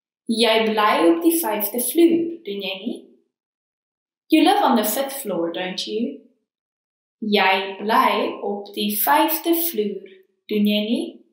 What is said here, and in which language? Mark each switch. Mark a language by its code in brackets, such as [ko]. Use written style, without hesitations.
[af] Jy bly op die vyfde vloer, doen jy nie? [en] You live on the fifth floor, don't you? [af] Jy bly op die vyfde vloer, doen jy nie?